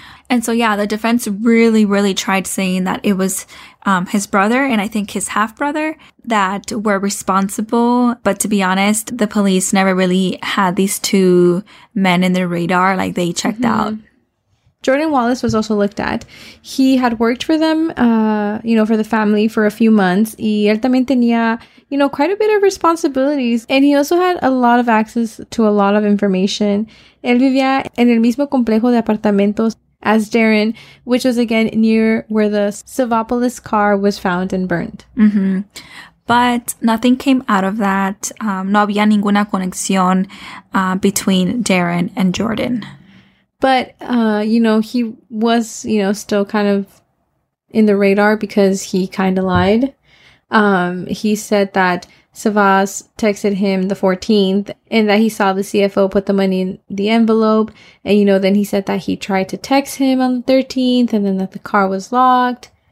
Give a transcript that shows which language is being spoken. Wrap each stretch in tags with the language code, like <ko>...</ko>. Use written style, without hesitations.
<en>And so, yeah, the defense really, really tried saying that it was his brother and I think his half-brother that were responsible. But to be honest, the police never really had these two men in their radar. Like, they checked out. Jordan Wallace was also looked at. He had worked for them, you know, for the family for a few months.</en> <es>Y él también tenía,</es> <en>you know, quite a bit of responsibilities. And he also had a lot of access to a lot of information.</en> <es>Él vivía en el mismo complejo de apartamentos</es> <en>as Darren, which was again near where the Savopoulos car was found and burned. Mm-hmm. But nothing came out of that.</en> <es>No había ninguna conexión</es> <en>between Darren and Jordan. But, you know, he was, you know, still kind of in the radar because he kind of lied. He said that Savas texted him the 14th and that he saw the CFO put the money in the envelope. And, you know, then he said that he tried to text him on the 13th and then that the car was locked.</en>